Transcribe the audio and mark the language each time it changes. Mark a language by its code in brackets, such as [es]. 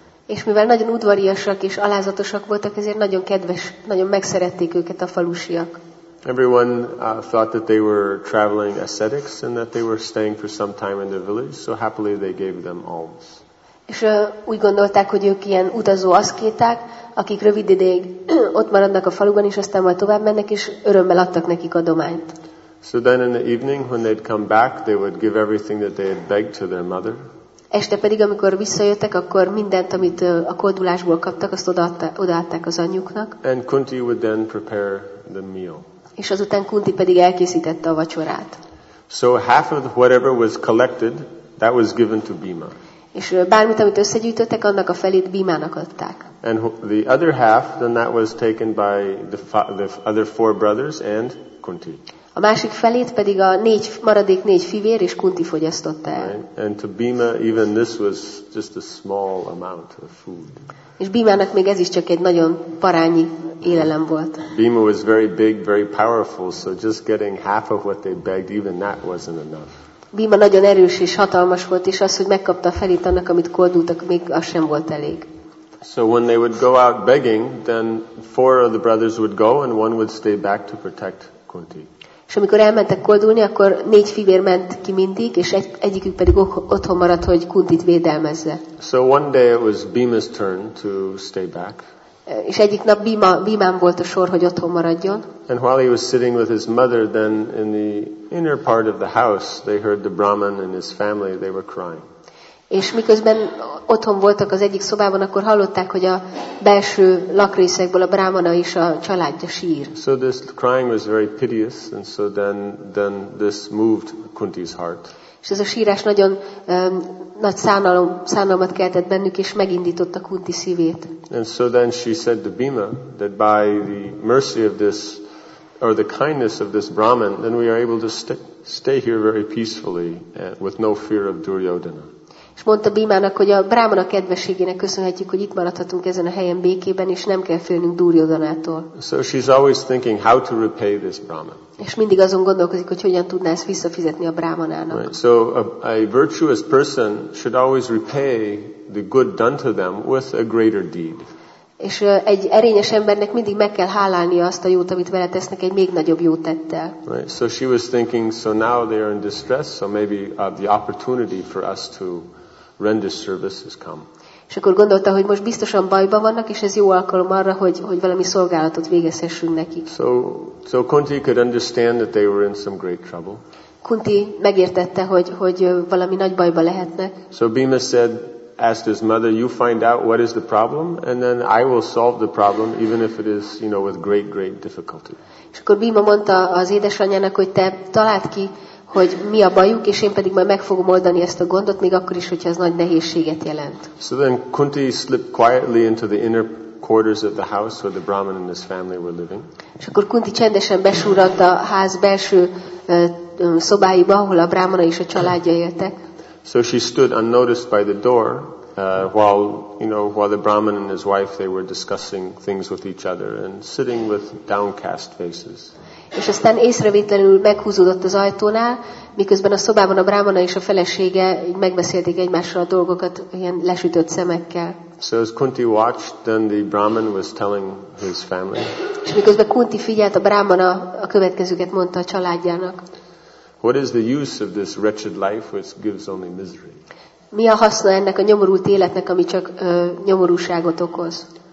[hu] És mivel nagyon udvariasak és alázatosak voltak, ezért nagyon kedves, nagyon megszerették őket a falusiak. [en] Everyone thought that they were traveling ascetics and that they were staying for some time in their village, so happily they gave them alms. [hu] És úgy gondolták, hogy ők ilyen utazó aszkéták, akik rövid ideig ott maradnak a faluban, és aztán majd tovább mennek, és örömmel adtak nekik adományt. [en] So then in the evening, when they'd come back, they would give everything that they had begged to their mother. [hu] Este pedig, amikor visszajöttek, akkor mindent, amit a kódulásból kaptak, azt odaadták az anyjuknak. [en] And Kunti would then prepare the meal. [hu] És azután Kunti pedig elkészítette a vacsorát. [en] So half of whatever was collected, that was given to Bhima. [hu] És bármit, amit összegyűjtöttek, annak a felét Bhimának adták. [en] And the other half, then that was taken by the other four brothers and Kunti. [hu] A másik felét pedig a négy maradék négy fivér és Kunti fogyasztotta el. [en] And to Bhima, even this was just a small amount of food. [hu] És Bhimának még ez is csak egy nagyon parányi élelem volt. [en] Bhima was very big, very powerful, so just getting half of what they begged, even that wasn't enough. [hu] Bhima nagyon erős és hatalmas volt, és az, hogy megkapta a felét annak, amit kódultak, még az sem volt elég. [en] So when they would go out begging, then four of the brothers would go, and one would stay back to protect Kunti. [hu] És amikor elmentek kódulni, akkor négy fivér ment ki mindig, és egyikük pedig otthon maradt, hogy Kuntit védelmezze. [en] So one day it was Bhima's turn to stay back. [hu] És egyik nap Bhimán volt a sor, hogy otthon maradjon. [en] And while he was sitting with his mother, then in the inner part of the house, they heard the Brahman and his family, they were crying. [hu] És miközben otthon voltak az egyik szobában, akkor hallották, hogy a belső lakrészekből a brámana és a családja sír. [en] So this crying was very piteous, and so then this moved Kunti's heart. [hu] És ez a sírás nagyon nagy szánalmat keltett bennük, és megindította Kunti szívét. [en] And so then she said to Bhima that by the mercy of this or the kindness of this Brahman, then we are able to stay here very peacefully with no fear of Duryodhana. [hu] És mondta Bhimának, hogy a Brahmana kedvességének köszönhetjük, hogy itt maradhatunk ezen a helyen békében, és nem kell félnünk Duryodhanától. [en] So she's always thinking how to repay this Brahman. [hu] És mindig azon gondolkozik, hogy hogyan tudná ezt visszafizetni a Brahmanának. [en] Right. So a virtuous person should always repay the good done to them with a greater deed. [hu] És egy erényes embernek mindig meg kell hálálnia azt a jót, amit vele tesznek, egy még nagyobb jót tettel. [en] Right. So she was thinking, so now they are in distress, so maybe the opportunity for us to render service has come. [hu] És akkor gondolta, hogy most biztosan bajban vannak, és ez jó alkalom arra, hogy valami szolgálatot végezhessünk nekik. [en] So Kunti could understand that they were in some great trouble. [hu] Kunti megértette, hogy valami nagy bajba lehetnek. [en] So Bhima said, asked his mother, you find out what is the problem, and then I will solve the problem, even if it is, you know, with great, great difficulty. [hu] És akkor Bhima mondta az édesanyjának, hogy te találd ki, hogy mi a bajuk, és én pedig majd meg fogom oldani ezt a gondot, még akkor is, hogyha ez nagy nehézséget jelent. [en] So then Kunti slipped quietly into the inner quarters of the house where the Brahman and his family were living. [hu] És akkor Kunti csendesen besúrott a ház belső szobáiba, ahol a Brahmana és a családja éltek. [en] So she stood unnoticed by the door while the Brahman and his wife, they were discussing things with each other and sitting with downcast faces. [hu] És aztán észrevétlenül meghúzódott az ajtónál, miközben a szobában a brámana és a felesége megbeszélték egymással a dolgokat ilyen lesütött szemekkel. [en] So as Kunti watched, then the Brahman was telling his family. [hu] És miközben Kunti figyelt, a brámana a következőket mondta a családjának. [en] What is the use of this wretched life which gives only misery? [hu] Mi a haszna ennek a nyomorult életnek, ami csak nyomorúságot okoz?